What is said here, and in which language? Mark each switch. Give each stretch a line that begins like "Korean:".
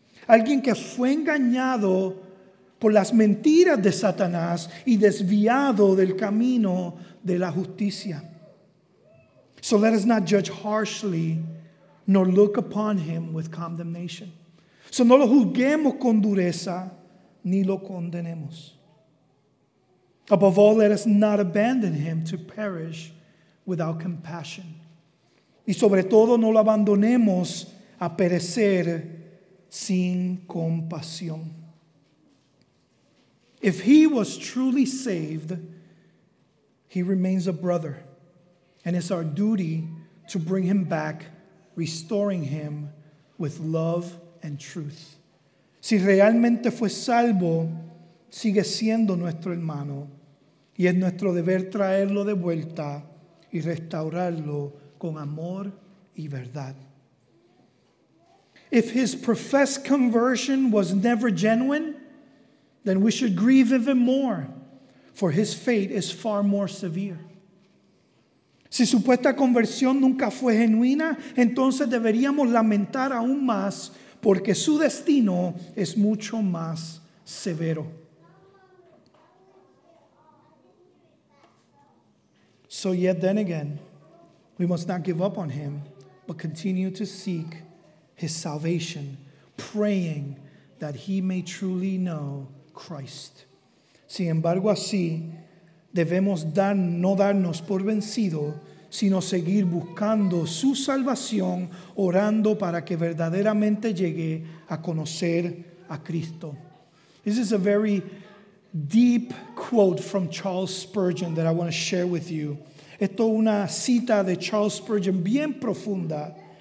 Spanish: Alguien que fue engañado por las mentiras de Satanás y desviado del camino de la justicia.
English: So let us not judge harshly, nor look upon him with condemnation.
Spanish: So no lo juzguemos con dureza, ni lo condenemos.
English: Above all, let us not abandon him to perish without compassion.
Spanish: Y sobre todo, no lo abandonemos a perecer sin compasión.
English: If he was truly saved, he remains a brother. And it's our duty to bring him back, restoring him with love and truth.
Spanish: Si realmente fue salvo, sigue siendo nuestro hermano. Y es nuestro deber traerlo de vuelta y restaurarlo con amor y verdad.
English: If his professed conversion was never genuine, then we should grieve even more, for his fate is far more severe.
Spanish: Si supuesta conversión nunca fue genuina, entonces deberíamos lamentar aún más, porque su destino es mucho más severo.
English: So yet then again, we must not give up on him, but continue to seek his salvation, praying that he may truly know Christ.
Spanish: Sin embargo, así debemos no darnos por vencido, sino seguir buscando su salvación, orando para que verdaderamente llegue a conocer a Cristo.
English: This is a very deep quote from Charles Spurgeon that I want to share with you.
Spanish: Esto es una cita de Charles Spurgeon bien profunda.